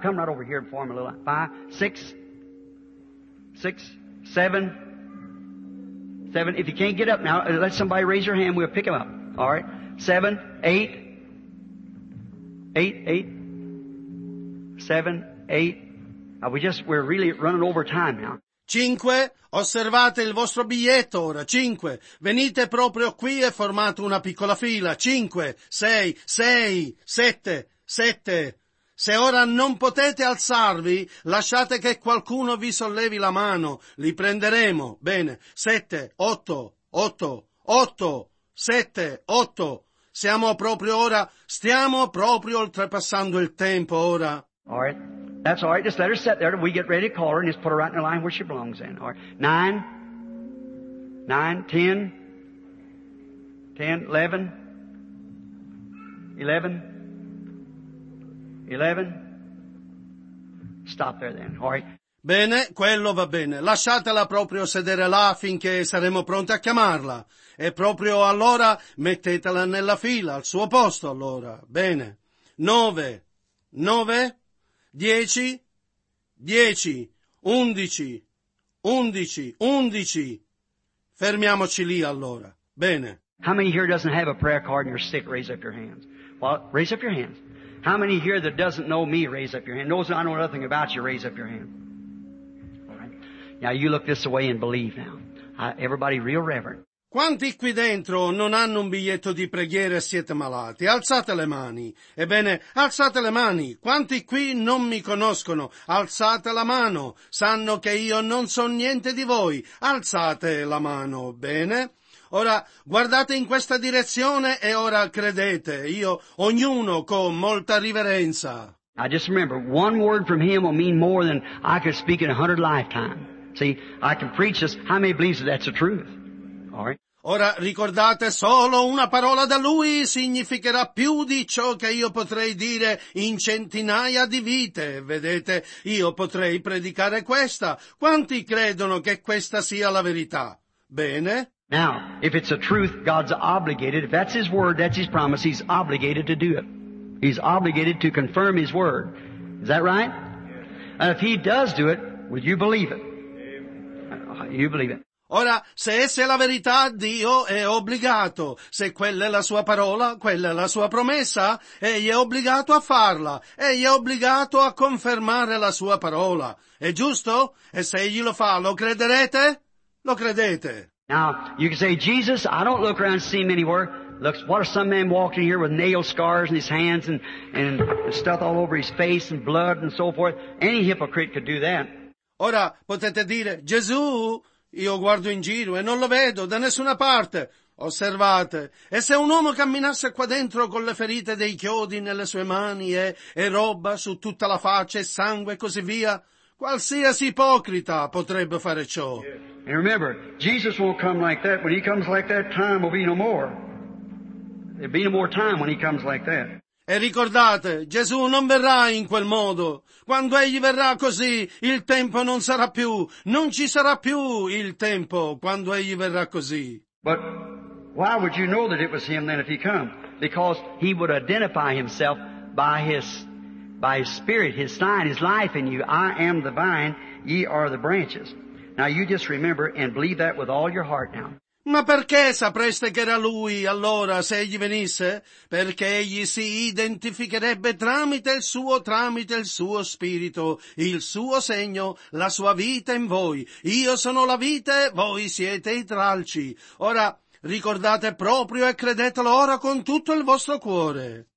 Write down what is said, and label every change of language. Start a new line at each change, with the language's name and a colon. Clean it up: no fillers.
English: Come right over here and form a little. 5, 6, 6, 7, 7. If you can't get up now, let somebody raise your hand. We'll pick him up. All right. 7, 8, 8, 8, 7, 8, We're really running over time now. 5.
Italian: Osservate il vostro biglietto ora. 5. Venite proprio qui e formate una piccola fila. 5. 6. 6. 7. 7. Se ora non potete alzarvi, lasciate che qualcuno vi sollevi la mano. Li prenderemo. Bene. 7. 8. 8. 8. 7. 8. Siamo proprio ora. Stiamo proprio oltrepassando il tempo ora.
English: All right. That's all right. Just let her sit there. We get ready to call her and just put her right in the line where she belongs in. All right. 9. 9. 10. 10. 11. 11. 11. Stop there then. All right.
Italian: Bene, quello va bene. Lasciatela proprio sedere là finché saremo pronti a chiamarla. E proprio allora mettetela nella fila, al suo posto allora. Bene. 9. 9. 10. 10. 11. 11. 11. Fermiamoci lì allora. Bene.
English: How many here doesn't have a prayer card and you're sick? Raise up your hands. Well, raise up your hands. How many here that doesn't know me? Raise up your hand. Knows I know nothing about you. Raise up your hand. Now you look this way and believe now. Everybody real reverent.
Italian: Quanti qui dentro non hanno un biglietto di preghiera e siete malati? Alzate le mani. Ebbene, alzate le mani. Quanti qui non mi conoscono? Alzate la mano. Sanno che io non so niente di voi. Alzate la mano. Bene? Ora, guardate in questa direzione e ora credete. Io, ognuno con molta riverenza.
English: I just remember, one word from him will mean more than I could speak in 100 lifetimes. See, I can preach this. How many believes that that's the truth? All right.
Italian: Ora ricordate, solo una parola da lui significherà più di ciò che io potrei dire in centinaia di vite. Vedete, io potrei predicare questa. Quanti credono che questa sia la verità? Bene.
English: Now, if it's a truth, God's obligated. If that's His word, that's His promise. He's obligated to do it. He's obligated to confirm His word. Is that right? And if He does do it, will you believe it? You believe it.
Italian: Ora, se essa è la verità, Dio è obbligato. Se quella è la sua parola, quella è la sua promessa, egli è obbligato a farla. Egli è obbligato a confermare la sua parola. È giusto? E se egli lo fa, lo crederete? Lo credete.
English: Now, you can say, Jesus, I don't look around and see him anywhere. Look, what are some men walking here with nail scars in his hands and stuff all over his face and blood and so forth? Any hypocrite could do that.
Italian: Ora potete dire, Gesù, io guardo in giro e non lo vedo da nessuna parte. Osservate, e se un uomo camminasse qua dentro con le ferite dei chiodi nelle sue mani e roba su tutta la faccia e sangue e così via, qualsiasi ipocrita potrebbe fare ciò.
English: And remember, Jesus won't come like that. When he comes like that, time will be no more. There'll be no more time when he comes like that.
Italian: E ricordate, Gesù non verrà in quel modo. Quando egli verrà così, il tempo non sarà più. Non ci sarà più il tempo quando egli verrà così.
English: But why would you know that it was him then if he come? Because he would identify himself by his spirit, his sign, his life in you. I am the vine, ye are the branches. Now you just remember and believe that with all your heart now.
Italian: Ma perché sapreste che era lui, allora, se egli venisse? Perché egli si identificherebbe tramite il suo spirito, il suo segno, la sua vita in voi. Io sono la vite, voi siete i tralci. Ora, ricordate proprio e credetelo ora con tutto il vostro cuore.